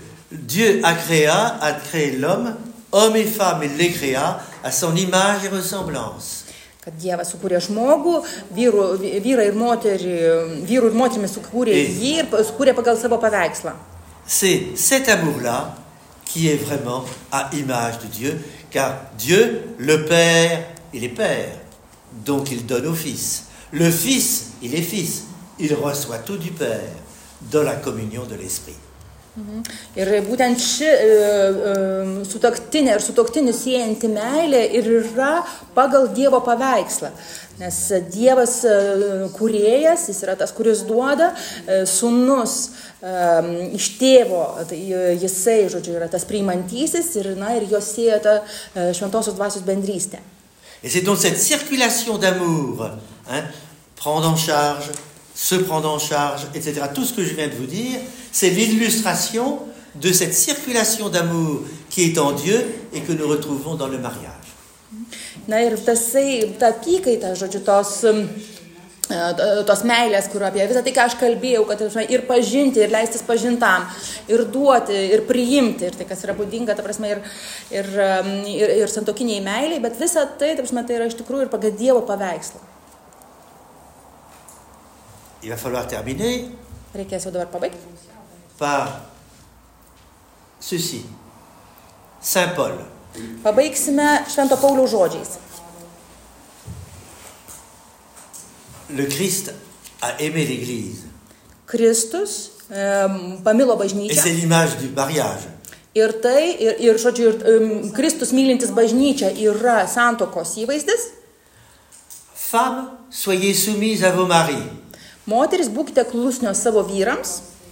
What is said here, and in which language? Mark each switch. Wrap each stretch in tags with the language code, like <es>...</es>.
<fr>Dieu a créé l'homme, homme et femme, il les créa à son image et ressemblance.</fr> <lt>Kad Dievas sukūrė žmogų, vyrą ir moterį, vyru ir moterimi sukūrė jį ir sukūrė pagal savo paveikslą.</lt> <fr>C'est cet amour-là qui est vraiment à image de Dieu, car Dieu, le Père, il est Père, donc il donne au Fils. Le Fils, il est Fils, il reçoit tout du Père, dans la communion de l'Esprit.</fr> <lt>Ir būtent ši sutuoktinė ir sutuoktinių siejanti meilė ir yra pagal Dievo paveikslą. Nes Dievas kūrėjas, jis yra tas, kuris duoda sūnus iš tėvo, tai jisai, žodžiu, yra tas priimantysis ir, na, ir jos sieja ta šventosios dvasios bendrystė.</lt> <fr>Et c'est donc cette circulation d'amour, hein, prendre en charge, se prendre en charge, etc. Tout ce que je viens de vous dire, c'est l'illustration de cette circulation d'amour qui est en Dieu et que nous retrouvons dans le mariage.</fr> <lt>Na ir tasai, ta apykaita, žodžiu, tos meilės, kur apie visą tai, ką aš kalbėjau, kad ir pažinti, ir leistis pažintam, ir duoti, ir priimti, ir tai, kas yra būdinga, ta prasme, ir santokiniai meiliai, bet visa tai, ta prasme, tai yra iš tikrųjų ir pagal Dievo paveikslą.</lt> <fr>Il va falloir terminer.</fr> <lt>Reikės jau dabar pabaigti.</lt> <fr>Par ceci. Saint Paul.</fr> <lt>Pabaigsime Švento Pauliaus žodžiais.</lt> <fr>Le Christ a aimé l'Église.</fr> <lt>Kristus pamilo bažnyčią.</lt> <fr>Et c'est l'image du mariage.</fr> <lt>Ir tai, ir žodžiu, Kristus mylintis bažnyčią yra santokos įvaizdis.</lt> <fr>Femme, soyez soumise à vos maris.</fr> <lt>Moteris, būkite klusnios savo vyrams.</lt>